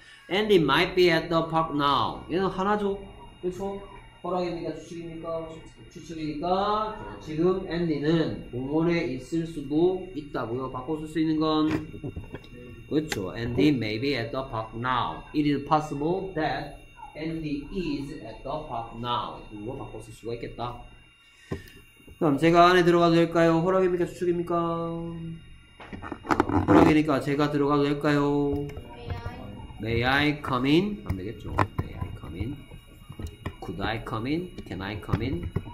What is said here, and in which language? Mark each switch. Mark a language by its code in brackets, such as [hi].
[en] And it might be at the park now. [ko] 얘는 하나죠. 그렇죠? 허락입니까? 추측입니까? 추측이니까 지금 앤디는 공원에 있을 수도 있다고요. 바꿔쓸 수 있는 건 그렇죠. [en] Andy may be at the park now. It is possible that Andy is at the park now. [ko] 이거 바꿔쓸 수가 있겠다. 그럼 제가 안에 들어가도 될까요? 허락입니까? 추측입니까? 허락이니까 제가 들어가도 될까요? [en] May I come in? [ko] 안 되겠죠. [en] May I come in? Could I come in? Can I come in?